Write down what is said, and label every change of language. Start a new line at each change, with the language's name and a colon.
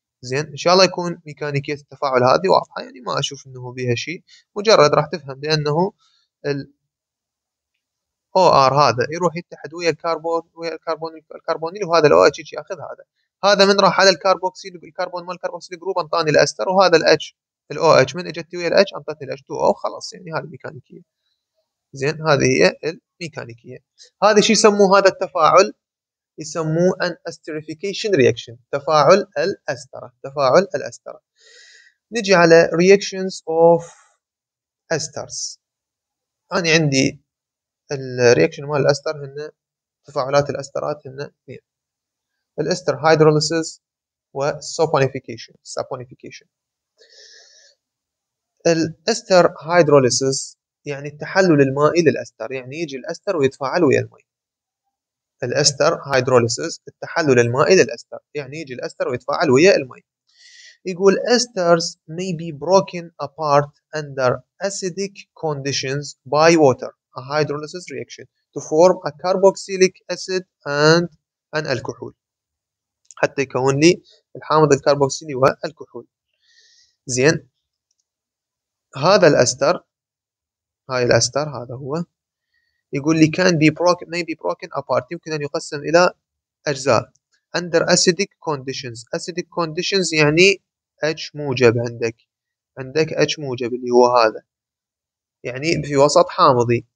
Arabic: زين، ان شاء الله يكون ميكانيكيه التفاعل هذه واضحه، يعني ما اشوف انه بها شيء، مجرد راح تفهم بانه ال OR هذا يروح يتحد ويا الكربون، ويا الكربون الكربونيل، وهذا الـ OH ياخذ هذا، هذا من راح على الكربوكسيل الكربون مال الكربوكسيل جروب انطاني الاستر، وهذا الـ H الـ OH من اجت ويا الـ H انطتني الـ H2O، خلاص يعني هذه الميكانيكية. زين، هذه هي الميكانيكية. هذا شو يسموه هذا التفاعل؟ يسموه
English: an esterification reaction،
Arabic: تفاعل الاسترة، تفاعل الاسترة. نجي على
English: reactions of esters.
Arabic: انا عندي الرياكشن مال الاستر هن تفاعلات الاسترات هن اثنين، الاستر هيدروليسيس والسوبونيفيكيشن. السوبونيفيكيشن الاستر هيدروليسيس يعني التحلل المائي للاستر، يعني يجي الاستر ويتفاعل ويا الماء. الاستر هيدروليسيس التحلل المائي للاستر، يعني يجي الاستر ويتفاعل ويا الماء.
English: يقول esters may be broken apart under acidic conditions by water a hydrolysis reaction to form a carboxylic acid and an alcohol،
Arabic: حتى يكون لي الحامض الكربوكسيلي والكحول. زين، هذا الاستر، هاي الاستر هذا هو يقول لي
English: can be broken may be broken apart،
Arabic: يمكن ان يقسم الى اجزاء
English: under acidic conditions. acidic conditions
Arabic: يعني H موجب، عندك H موجب اللي هو هذا، يعني في وسط حامضي.